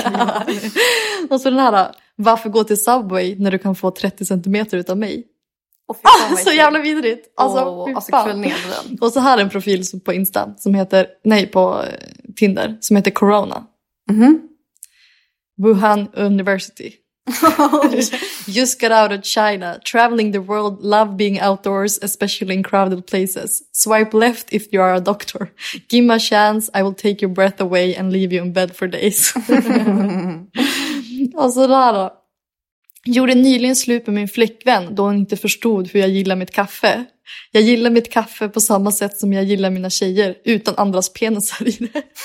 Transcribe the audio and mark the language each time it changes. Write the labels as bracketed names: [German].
[Swedish] skriva. Och så den här då. Varför gå till Subway när du kan få 30 cm utav mig? Så jävla vidrigt. Alltså kväll ner den. Och så här en profil på Insta som heter, nej på Tinder, som heter Corona. Mm-hmm. [English] Wuhan University. Just got out of China, traveling the world, love being outdoors, especially in crowded places. Swipe left if you are a doctor. Give me a chance, I will take your breath away and leave you in bed for days. [Swedish] Och så där då. Gjorde nyligen slut med min flickvän då hon inte förstod hur jag gillar mitt kaffe. Jag gillar mitt kaffe på samma sätt som jag gillar mina tjejer, utan andras penisar i det.